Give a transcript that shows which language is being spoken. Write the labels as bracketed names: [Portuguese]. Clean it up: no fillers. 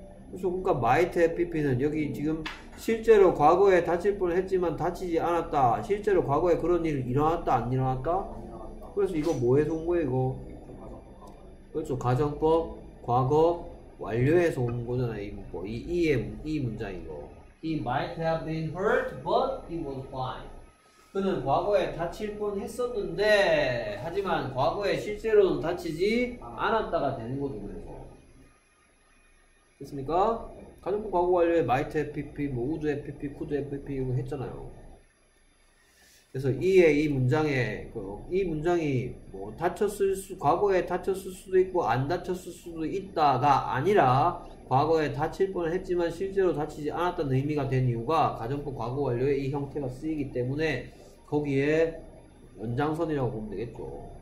[Korean] 그래서 그러니까 might have pp는 여기 지금 실제로 과거에 다칠 뻔 했지만 다치지 않았다. 실제로 과거에 그런 일 일어났다 안 일어났다? 그래서 이거 뭐에서 온 거야 이거? 그렇죠. 가정법 과거 완료에서 온 거잖아요. 이 문장 이거. [English] He might have been hurt, but he was fine. [Korean] 그는 과거에 다칠 뻔 했었는데, 하지만 과거에 실제로는 다치지 않았다가 되는 거죠. 그래서. 됐습니까? 가정법 과거 완료에 might have pp, 뭐 would have pp, could have pp 이거 했잖아요. 그래서 이에 이 문장에 그 이 문장이 뭐 다쳤을 수 과거에 다쳤을 수도 있고 안 다쳤을 수도 있다가 아니라 과거에 다칠 뻔 했지만 실제로 다치지 않았다는 의미가 된 이유가 가정법 과거 완료의 이 형태가 쓰이기 때문에 거기에 연장선이라고 보면 되겠죠.